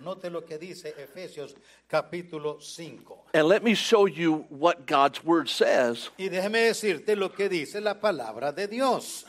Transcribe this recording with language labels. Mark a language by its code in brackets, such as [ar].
[es] Note lo que dice Efesios capítulo 5. [en] And let me show you what God's word says. [es] Y déjeme decirte lo que dice la palabra de Dios.